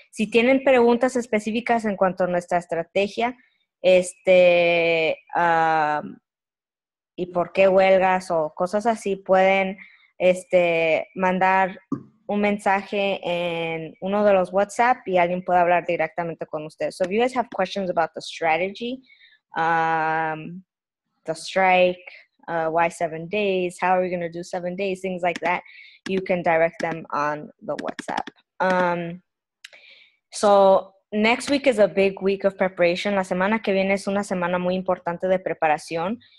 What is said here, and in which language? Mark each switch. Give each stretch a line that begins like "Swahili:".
Spanish: Si tienen preguntas específicas en cuanto a nuestra estrategia, y por qué huelgas o cosas así, pueden mandar un mensaje en uno de los WhatsApp y alguien puede hablar directamente con ustedes.
English: So if you guys have questions about the strategy, the strike, why 7 days, how are we going to do 7 days, things like that, you can direct them on the WhatsApp. So next week is a big week of preparation.
Spanish: La semana que viene es una semana muy importante de preparación.